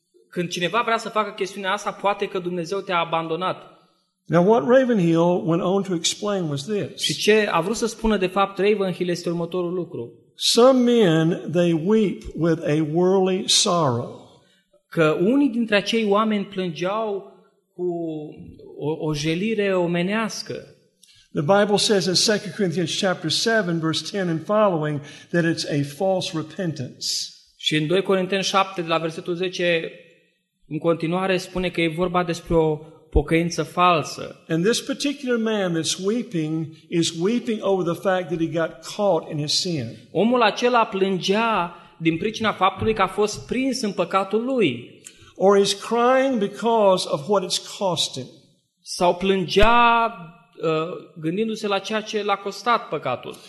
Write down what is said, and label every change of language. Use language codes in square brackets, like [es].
[ro] Când cineva vrea să facă chestiunea asta, poate că Dumnezeu te-a abandonat. [en] Now what Ravenhill went on to explain was this. [ro] Și ce a vrut să spună de fapt Ravenhill este următorul lucru. [en] Some men, they weep with a worldly sorrow. [ro] Că unii dintre acei oameni plângeau cu o jelire omenească. [en] The Bible says in 2 Corinthians chapter 7 verse 10 and following that it's a false repentance. [ro] Și în 2 Corinteni 7 de la versetul 10 în continuare spune că e vorba despre o pocăință falsă. [en] And this particular man that's weeping is weeping over the fact that he got caught in his sin. [ro] Omul acela plângea din pricina faptului că a fost prins în păcatul lui. [en] Or is crying because of what it's cost him. [ro] Sau plângea gândindu-se la ceea ce l-a costat păcatul.